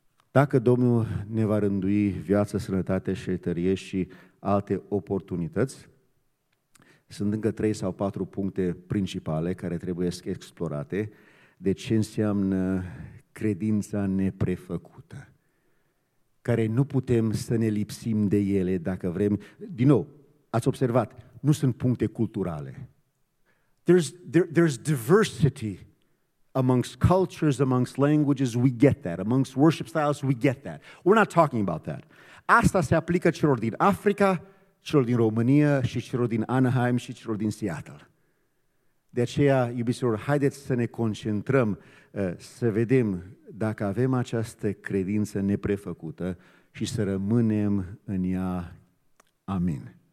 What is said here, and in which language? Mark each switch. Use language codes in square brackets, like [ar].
[ro] Dacă Domnul ne va rândui viață, sănătate și tărie și alte oportunități, sunt încă 3 sau 4 puncte principale care trebuie să explorate de ce înseamnă credința neprefăcută, care nu putem să ne lipsim de ele dacă vrem. Din nou, ați observat, nu sunt puncte culturale. [en] There's diversity amongst cultures, amongst languages, we get that. Amongst worship styles, we get that. We're not talking about that. [ro] Asta se aplică celor din Africa, celor din România și celor din Anaheim și celor din Seattle. De aceea, iubiților, haideți să ne concentrăm, să vedem dacă avem această credință neprefăcută și să rămânem în ea. Amin.